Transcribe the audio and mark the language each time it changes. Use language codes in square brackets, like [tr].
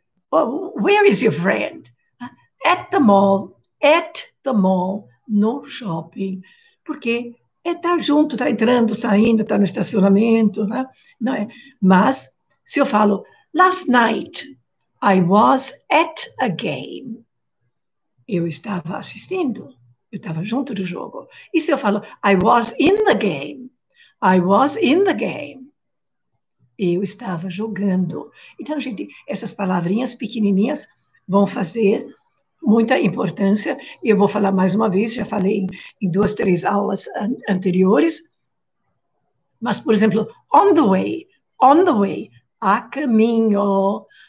[en] Oh, where is your friend? At the mall, no shopping. [pt] Porque é tá junto, tá entrando, saindo, tá no estacionamento, né? Não é? Mas se eu falo, [en] last night I was at a game. [pt] Eu estava assistindo, eu estava junto do jogo. E se eu falo, [en] I was in the game. I was in the game. [pt] Eu estava jogando. Então, gente, essas palavrinhas pequenininhas vão fazer muita importância. E eu vou falar mais uma vez, já falei em duas, três aulas anteriores. Mas, por exemplo, [en] on the way, [pt] a caminho.